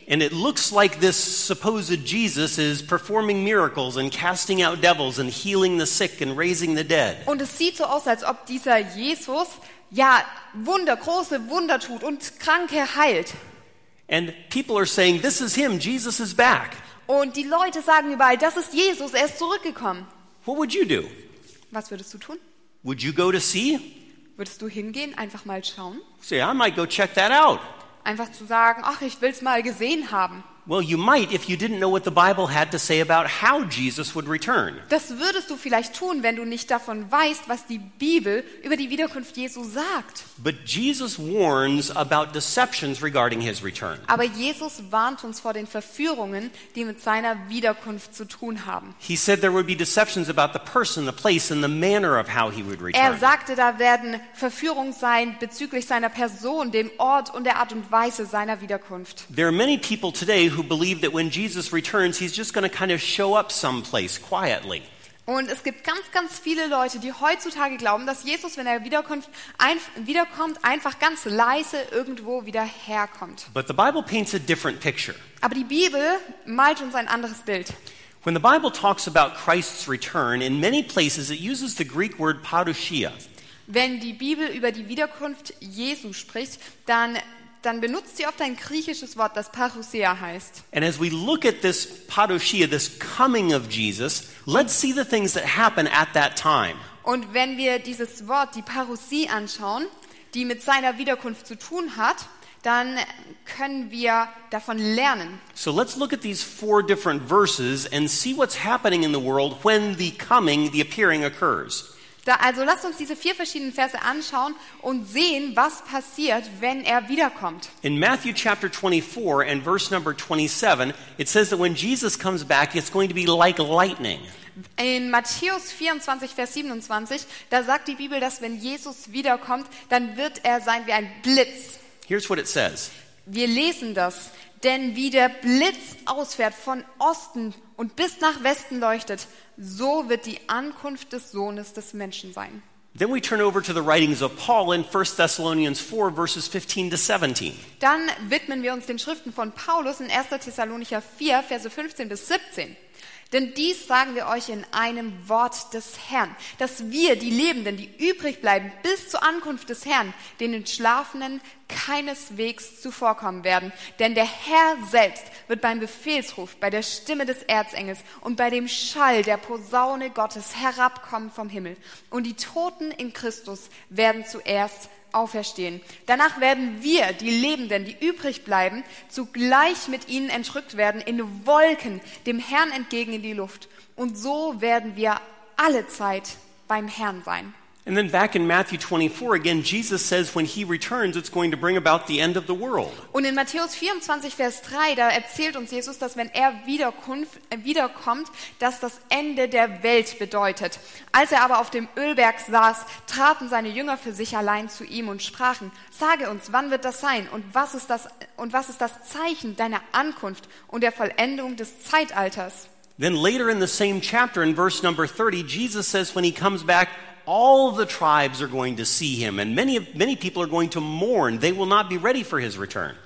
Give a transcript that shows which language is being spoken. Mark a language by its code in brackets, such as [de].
[en] And it looks like this supposed Jesus is performing miracles and casting out devils and healing the sick and raising the dead. [de] Und es sieht so aus, als ob dieser Jesus ja Wunder, große Wunder tut und Kranke heilt. [en] And people are saying, "This is him. Jesus is back." [de] Und die Leute sagen überall, das ist Jesus, er ist zurückgekommen. [en] What would you do? [de] Was würdest du tun? [en] Would you go to see? [de] Würdest du hingehen, einfach mal schauen? [en] So, yeah, I might go check that out. [de] Einfach zu sagen, ach, ich will's mal gesehen haben. [en] Well, you might if you didn't know what the Bible had to say about how Jesus would return. [de] Das würdest du vielleicht tun, wenn du nicht davon weißt, was die Bibel über die Wiederkunft Jesu sagt. [en] But Jesus warns about deceptions regarding his return. [de] Aber Jesus warnt uns vor den Verführungen, die mit seiner Wiederkunft zu tun haben. [en] He said there would be deceptions about the person, the place and the manner of how he would return. [de] Er sagte, da werden Verführungen sein bezüglich seiner Person, dem Ort und der Art und Weise seiner Wiederkunft. [en] There are many people today who believe that when Jesus returns, he's just going to kind of show up someplace quietly. [de] Und es gibt ganz, ganz viele Leute, die heutzutage glauben, dass Jesus, wenn er wiederkommt, einfach ganz leise irgendwo wieder herkommt. [en] But the Bible paints a different picture. [de] Aber die Bibel malt uns ein anderes Bild. [en] When the Bible talks about Christ's return, in many places it uses the Greek word parousia. [de] Wenn die Bibel über die Wiederkunft Jesu spricht, dann benutzt sie oft ein griechisches Wort, das parousia heißt. [en] And as we look at this parousia, this coming of Jesus, let's see the things that happen at that time. [de] Und wenn wir dieses Wort, die Parousie, anschauen, die mit seiner Wiederkunft zu tun hat, dann können wir davon lernen. [en] So let's look at these four different verses and see what's happening in the world when the coming, the appearing occurs. [de] Also lasst uns diese vier verschiedenen Verse anschauen und sehen, was passiert, wenn er wiederkommt. [en] In Matthew chapter 24 and verse number 27, it says that when Jesus comes back, it's going to be like lightning. [de] In Matthäus 24, Vers 27, da sagt die Bibel, dass wenn Jesus wiederkommt, dann wird er sein wie ein Blitz. [en] Here's what it says. [de] Wir lesen das. Denn wie der Blitz ausfährt von Osten und bis nach Westen leuchtet, so wird die Ankunft des Sohnes des Menschen sein. [en] Then we turn over to the writings of Paul in 1 Thessalonians 4, verses 15 to 17. [de] Dann widmen wir uns den Schriften von Paulus in 1. Thessalonicher 4, Verse 15 bis 17. Denn dies sagen wir euch in einem Wort des Herrn, dass wir, die Lebenden, die übrig bleiben, bis zur Ankunft des Herrn, den Entschlafenen, keineswegs zuvorkommen werden, denn der Herr selbst wird beim Befehlsruf, bei der Stimme des Erzengels und bei dem Schall der Posaune Gottes herabkommen vom Himmel. Und die Toten in Christus werden zuerst auferstehen. Danach werden wir, die Lebenden, die übrig bleiben, zugleich mit ihnen entrückt werden, in Wolken dem Herrn entgegen in die Luft. Und so werden wir alle Zeit beim Herrn sein. [en] And then back in Matthew 24 again, Jesus says when he returns, it's going to bring about the end of the world. [de] Und in Matthäus 24, Vers 3, da erzählt uns Jesus, dass wenn er wiederkommt, dass das Ende der Welt bedeutet. Als er aber auf dem Ölberg saß, traten seine Jünger für sich allein zu ihm und sprachen, sage uns, wann wird das sein und was ist das Zeichen deiner Ankunft und der Vollendung des Zeitalters? [en] Then later in the same chapter, in verse number 30, Jesus says when he comes back, all the tribes are going to see him and many people are going to mourn. They will not be ready for his return.